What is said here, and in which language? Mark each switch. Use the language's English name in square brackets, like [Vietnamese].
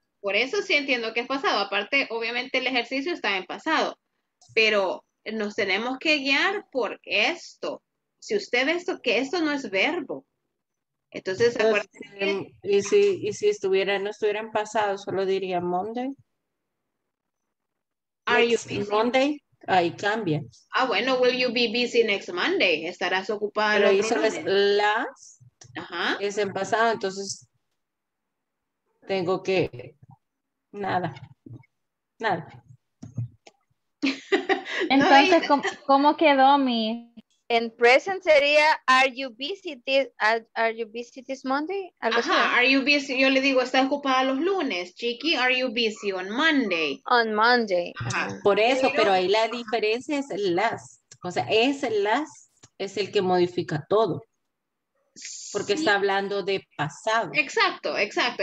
[Spanish] Por eso sí entiendo que es pasado. Aparte, obviamente el ejercicio está en pasado. Pero nos tenemos que guiar por esto. Si usted ve esto, que esto no es verbo. Entonces, acuérdense. ¿Y si estuviera, no estuviera en pasado, solo diría Monday? [English] Are you busy? [Spanish] Monday, ahí cambia. Ah, bueno, [English] will you be busy next Monday? [Spanish] ¿Estarás ocupada? Pero eso es last. Ajá. Es en pasado, entonces... Tengo que... Nada. Nada. Entonces, ¿cómo quedó mi...? En present sería, [English] are you busy this Monday? [Spanish] Algo ajá, así. [English] Are you busy? [Spanish] Yo le digo, ¿está ocupada los lunes, Chiqui? [English] Are you busy on Monday? On Monday. [Spanish] Ajá. Por eso, pero ahí la diferencia es el last. O sea, es el last, es el que modifica todo. Porque sí. Está hablando de pasado. Exacto, exacto.